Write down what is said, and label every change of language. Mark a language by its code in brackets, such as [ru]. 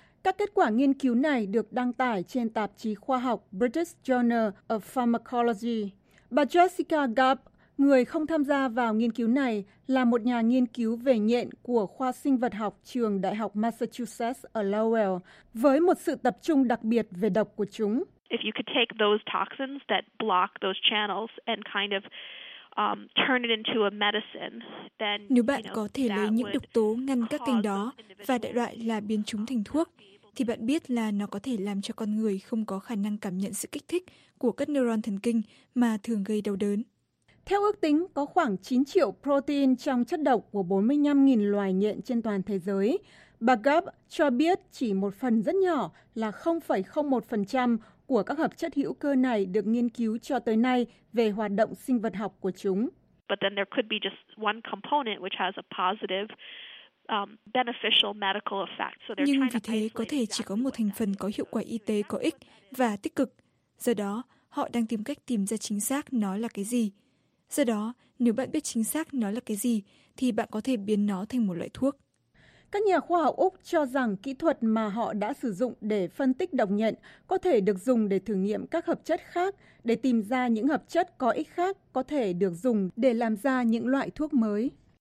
[vi] Các kết quả nghiên cứu này được đăng tải trên tạp chí khoa học British Journal of Pharmacology. Bà Jessica Gubb, người không tham gia vào nghiên cứu này, là một nhà nghiên cứu về nhện của khoa sinh vật học trường Đại học Massachusetts ở Lowell, với một sự tập trung đặc biệt về độc của chúng. [en] If you could take those toxins that block those channels and kind of turn it into a medicine, then [vi] nếu bạn có thể lấy những độc tố ngăn các kênh đó và đại loại là biến chúng thành thuốc, thì bạn biết là nó có thể làm cho con người không có khả năng cảm nhận sự kích thích của các neuron thần kinh mà thường gây đau đớn. Theo ước tính, có khoảng 9 triệu protein trong chất độc của 45.000 loài nhện trên toàn thế giới. Bà Gubb cho biết chỉ một phần rất nhỏ là 0,01% của các hợp chất hữu cơ này được nghiên cứu cho tới nay về hoạt động sinh vật học của chúng. [en] But then there could be just one component which has a positive beneficial medical effect. So [vi] nhưng vì thế có thể chỉ có một thành phần có hiệu quả y tế có ích và tích cực. Do đó, họ đang tìm cách tìm ra chính xác nó là cái gì. Do đó, nếu bạn biết chính xác nó là cái gì, thì bạn có thể biến nó thành một loại thuốc. Các nhà khoa học Úc cho rằng kỹ thuật mà họ đã sử dụng để phân tích độc nhện có thể được dùng để thử nghiệm các hợp chất khác, để tìm ra những hợp chất có ích khác có thể được dùng để làm ra những loại thuốc mới.